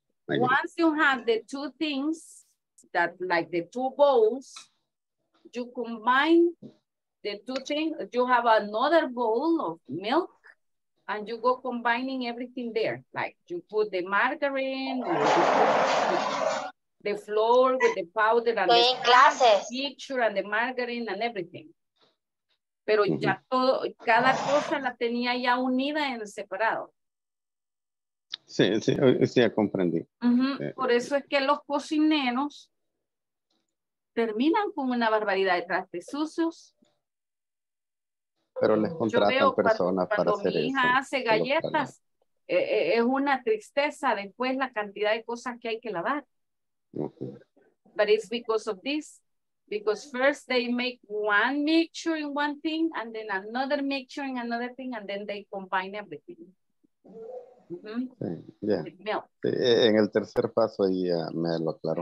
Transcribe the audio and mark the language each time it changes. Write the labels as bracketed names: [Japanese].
[English] Once you have the two things, that like the two bowls, you combine the two things, you have another bowl of milk, and you go combining everything there. Like you put the margarine, or you put the flour with the powder and the mixture and the margarine and everything. [Spanish] Pero mm-hmm. ya todo, cada cosa la tenía ya unida en separado. Sí, sí, sí, ya comprendí. Mm-hmm. Por eso es que los cocineros terminan con una barbaridad de trastes sucios. Pero les contratan personas para hacer eso. Cuando mi hija hace galletas, es una tristeza después la cantidad de cosas que hay que lavar. [English] Okay. But it's because of this. Because first they make one mixture in one thing, and then another mixture in another thing, and then they combine everything. Mm-hmm. [Spanish] Sí, yeah. En el tercer paso ahí me lo aclaró.